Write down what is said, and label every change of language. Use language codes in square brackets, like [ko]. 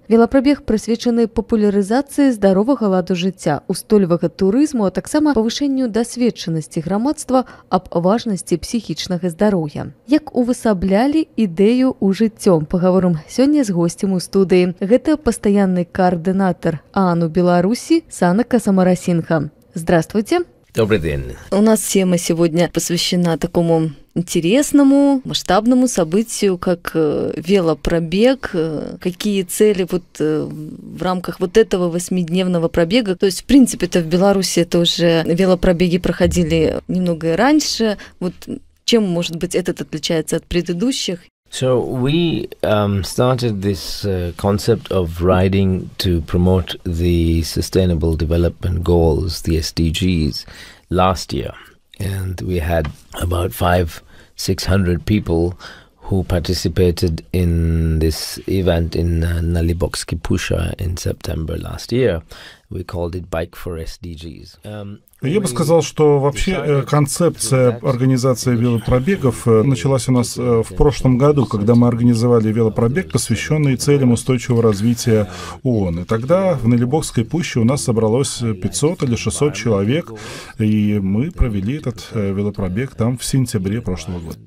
[be] Велапрабег прысвечаны папулярызацыі здаровага ладу жыцця, устойлівага турызму, а таксама павышэнню дасведчанасці грамадства аб важнасці псіхічнага здароўя. Як увасаблялі ідэю ў жыццё? Сёння з гостем у студыі. Гэта пастаянны каардынатар ААН у Беларусі Санака Самарасінха. [ru] Здравствуйте. Добрый день. У нас тема сегодня посвящена такому интересному, масштабному событию, как велопробег. Какие цели вот в рамках вот этого восьмидневного пробега? То есть, в принципе-то, в Беларуси это уже велопробеги проходили немного раньше. Вот чем, может быть, этот отличается от предыдущих? [en] So we started this concept of riding to promote the Sustainable Development Goals, the SDGs, last year. And we had about 500-600 people who participated in this event in Nalibox Kipusha in September last year. We called it Bike for SDGs. [ru] Я бы сказал, что вообще концепция организации велопробегов началась у нас в прошлом году, когда мы организовали велопробег, посвященный целям устойчивого развития ООН. И тогда в Нелебокской пуще у нас собралось 500 или 600 человек, и мы провели этот велопробег там в сентябре прошлого года.